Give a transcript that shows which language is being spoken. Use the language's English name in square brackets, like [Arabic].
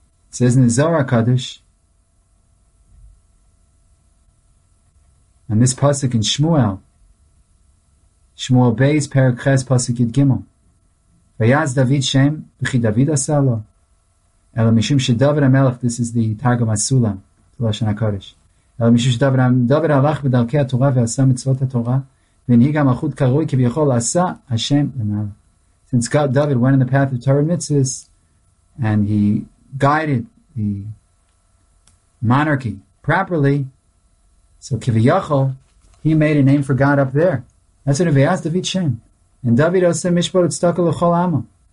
[English] Says in the Zohar HaKadosh, and this pasuk in Shmuel, Shmuel Beis, Perek Ches, pasuk Yud Gimel. [Hebrew] ויעז דוד שם, וכי דוד עשה לו, אלא משום שדוד המלך, [English] this is the Targum HaSulam, [Hebrew] לשון הקודש. אלא משום שדוד הלך בדרכי התורה ועשה מצוות התורה, והנהיג המלכות כראוי כביכול עשה השם למעלה. [English] Since God, David went in the path of Torah and Mitzvahs, and he guided the monarchy properly, so כביכול, he made a name for God up there. That's what Vayas David Shem. And David also mishpat utzedakah l'chol amo.